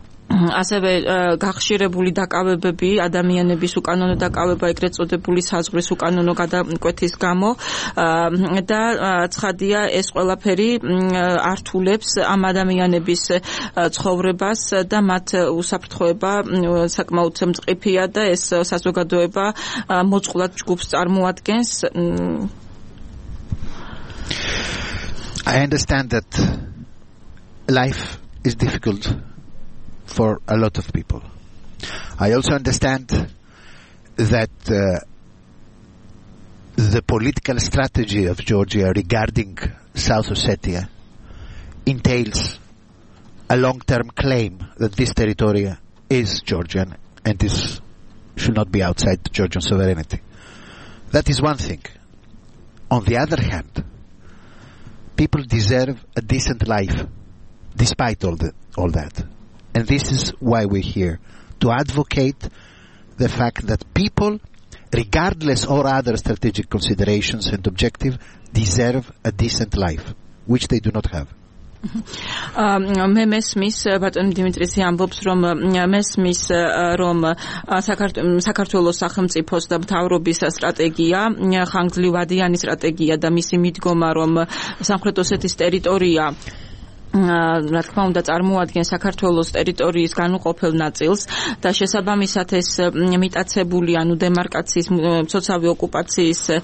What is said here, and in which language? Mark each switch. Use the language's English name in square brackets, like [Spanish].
[Georgian] ასევე გახშირებული დაკავებები ადამიანების უკანონო დაკავება ეგრეთ წოდებული საზღვრის უკანონო გადაკვეთის გამო და ცხადია ეს ყველაფერი ართულებს ამ ადამიანების ცხოვრებას და მათ უსაფრთხოება საკმაოდ მწყფია და ეს საზოგადოება მოწყვლად ჯგუფს წარმოადგენს. [English] I understand that life is difficult for a lot of people. I also understand that the political strategy of Georgia regarding South Ossetia entails a long-term claim that this territory is Georgian and this should not be outside Georgian sovereignty. That is one thing. On the other hand, people deserve a decent life despite all that. And this is why we're here, to advocate the fact that people, regardless of other strategic considerations and objective, deserve a decent life, which they do not have. [Georgian] მე მესმის ბატონ დიმიტრიზი ამბობს რომ მესმის რომ საქართველოს სახელმწიფოს და მთავრობის სტრატეგია ხანგრძლივადიანი სტრატეგია და მისი მიდგომა რომ სამხრეთ ოსეთის ტერიტორია რა თქმა უნდა წარმოადგენს საქართველოს ტერიტორიის განუყოფელ ნაწილს და შესაბამისად ეს მიტაცებული ანუ დემარკაციის მცოცავი ოკუპაციის